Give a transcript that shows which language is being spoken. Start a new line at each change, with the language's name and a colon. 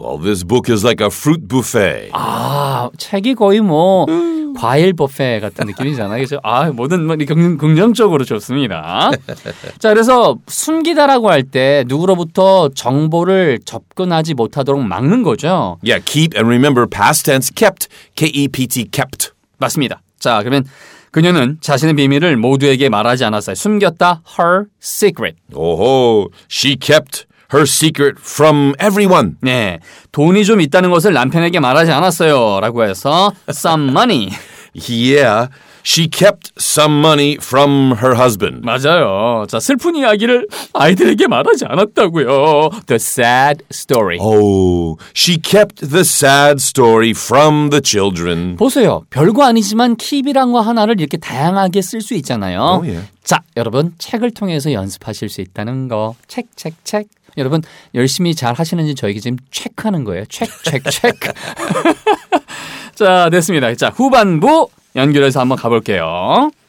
English: Well, this book is like a fruit buffet.
Korean: 아, 책이 거의 뭐 과일 뷔페 같은 느낌이잖아요. 그렇죠? 아, 뭐든 긍정적으로 좋습니다. 자, 그래서 숨기다라고 할 때 누구로부터 정보를 접근하지 못하도록 막는 거죠.
English: Yeah, keep and remember past tense kept. K-E-P-T kept.
Korean: 맞습니다. 자, 그러면 그녀는 자신의 비밀을 모두에게 말하지 않았어요. 숨겼다.
English: Her secret. Oh, she kept her secret from everyone.
Korean: 네, 돈이 좀 있다는 것을 남편에게 말하지 않았어요. 라고 해서
English: some money. Yeah, she kept some money from her husband.
Korean: 맞아요. 자, 슬픈 이야기를 아이들에게 말하지 않았다고요.
English: The sad story. Oh, she kept the sad story from the children.
Korean: 보세요. 별거 아니지만 keep이란 거 하나를 이렇게 다양하게 쓸 수 있잖아요.
English: Oh, yeah.
Korean: 자, 여러분 책을 통해서 연습하실 수 있다는 거. 책, 책, 책. 여러분 열심히 잘 하시는지 저에게 지금 체크하는 거예요. 체크, 체크, 체크. 자, 됐습니다. 자, 후반부 연결해서 한번 가볼게요.